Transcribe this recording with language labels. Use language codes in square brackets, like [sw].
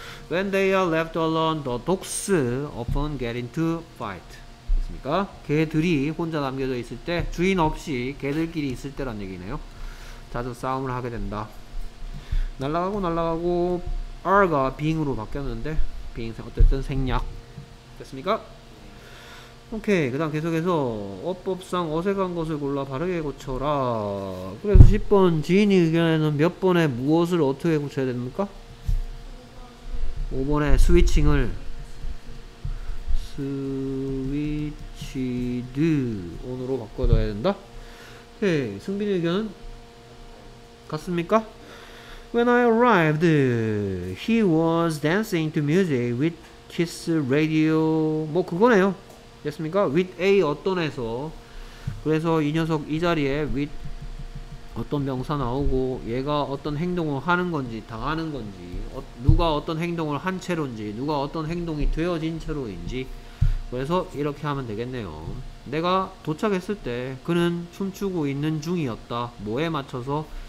[en] When they are left alone, the dogs often get into fight. [ko] 됐습니까? 개들이 혼자 남겨져 있을 때 주인 없이 개들끼리 있을 때란 얘기네요. 자주 싸움을 하게 된다. 날아가고 are가 being으로 바뀌었는데 being 어쨌든 생략. 됐습니까? 오케이. 그 다음 계속해서 어법상 어색한 것을 골라 바르게 고쳐라. 그래서 10번 지인이 의견에는 몇 번에 무엇을 어떻게 고쳐야 됩니까? 5번에 스위치드 온으로 바꿔줘야 된다. 오케이. 승빈이 의견은? 같습니까? [en] When I arrived, he was dancing to music with kiss radio. [ko] 뭐 그거네요. 됐습니까? with a 어떤에서. 그래서 이 녀석 이 자리에 with 어떤 명사 나오고 얘가 어떤 행동을 하는 건지 당하는 건지 누가 어떤 행동을 한 채로인지 누가 어떤 행동이 되어진 채로인지. 그래서 이렇게 하면 되겠네요. 내가 도착했을 때 그는 춤추고 있는 중이었다. 뭐에 맞춰서?